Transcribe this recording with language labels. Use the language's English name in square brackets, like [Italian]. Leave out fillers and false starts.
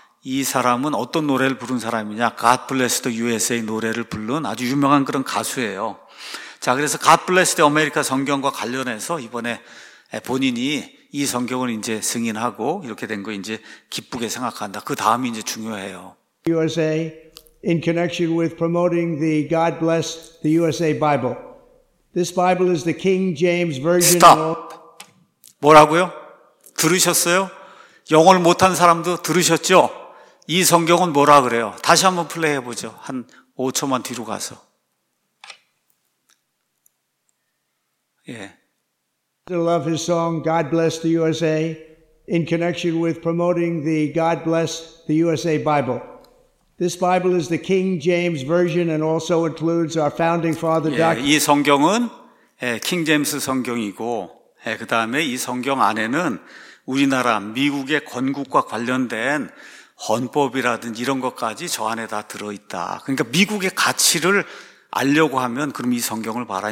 [Korean] 이 사람은 어떤 노래를 부른 사람이냐? God bless the USA 노래를 부른 아주 유명한 그런 가수예요. 자, 그래서 God bless the America 성경과 관련해서 이번에 본인이 이 성경을 이제 승인하고 이렇게 된 거 이제 기쁘게 생각한다. 그 다음이 이제 중요해요. [English] USA in connection with promoting the God bless the USA Bible. This Bible is the King James Version. [Korean] Stop. 뭐라고요? 들으셨어요? 영어를 못한 사람도 들으셨죠? 이 성경은 뭐라 그래요? 다시 한번 플레이해 보죠. 한 5초만 뒤로 가서. 예. [English] I love his song God Bless the USA in connection with promoting the God Bless the USA Bible. This Bible is the King James Version and also includes our founding father document. [Korean] 이 성경은 King James 성경이고, 그 다음에 이 성경 안에는 우리나라 미국의 건국과 관련된 헌법이라든지 이런 것까지 저 안에 다 들어있다. 그러니까 미국의 가치를 알려고 하면 그럼 이 성경을 봐라.